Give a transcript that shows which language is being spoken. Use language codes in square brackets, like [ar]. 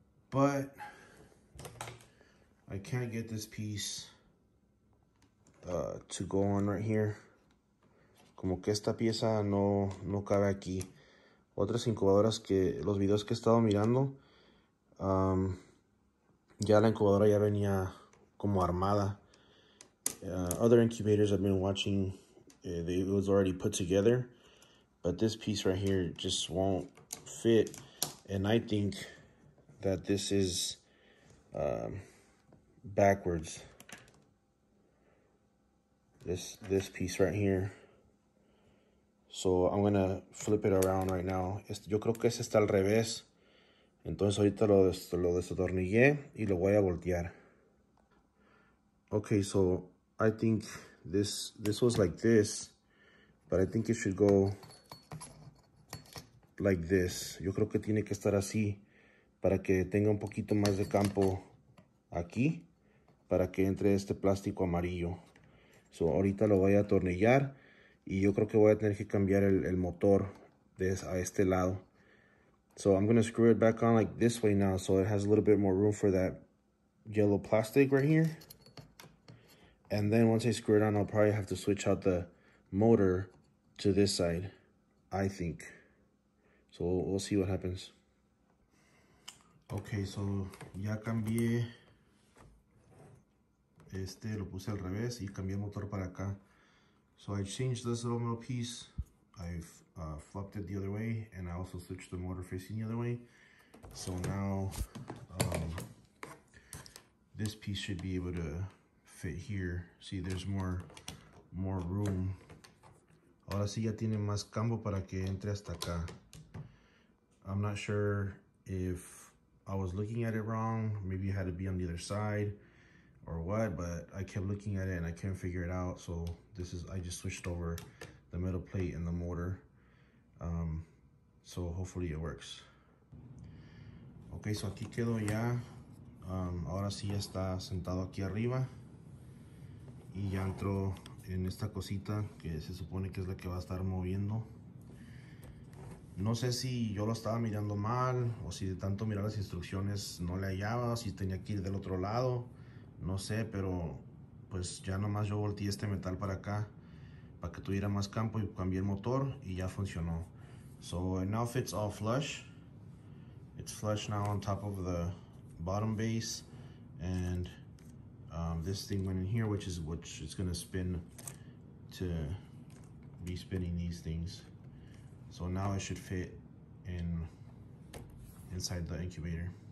[en] But I can't get this piece to go on right here. [es] Como que esta pieza no cabe aquí. Otras incubadoras que los videos que he estado mirando, ya la incubadora ya venía como armada. [en] Other incubators I've been watching, it was already put together, but this piece right here just won't fit. And I think that this is backwards. This piece right here. So I'm gonna flip it around right now. [es] Yo creo que ese está al revés. Entonces ahorita lo desatornillé y lo voy a voltear. [en] Okay, so I think this was like this, but I think it should go like this. [es] Yo creo que tiene que estar así para que tenga un poquito más de campo aquí para que entre este plástico amarillo. So ahorita lo voy a atornillar y yo creo que voy a tener que cambiar el motor a este lado. [en] So I'm going to screw it back on like this way now so it has a little bit more room for that yellow plastic right here. And then once I screw it on, I'll probably have to switch out the motor to this side, I think. So we'll see what happens. Okay, so [es] ya cambié. Lo puse al revés y cambié el motor para acá. [en] So I changed this little metal piece. I've flipped it the other way, and I also switched the motor facing the other way. So now this piece should be able to fit here. See, there's more room. [es] Ahora sí ya tiene más campo para que entre hasta acá. [en] I'm not sure if I was looking at it wrong. Maybe it had to be on the other side or what, but I kept looking at it and I couldn't figure it out. So this is, I just switched over the metal plate and the mortar. So hopefully it works. Okay, so [es] aquí quedo ya. Ahora sí ya está sentado aquí arriba. Y ya entró en esta cosita que se supone que es la que va a estar moviendo. No sé si yo lo estaba mirando mal o si de tanto mirar las instrucciones no le hallaba, si tenía que ir del otro lado. No sé, pero pues ya nomás yo volteé este metal para acá para que tuviera más campo y cambié el motor y ya funcionó. [en] So it now fits all flush. It's flush now on top of the bottom base. And this thing went in here, which is gonna spin to be spinning these things. So now it should fit inside the incubator.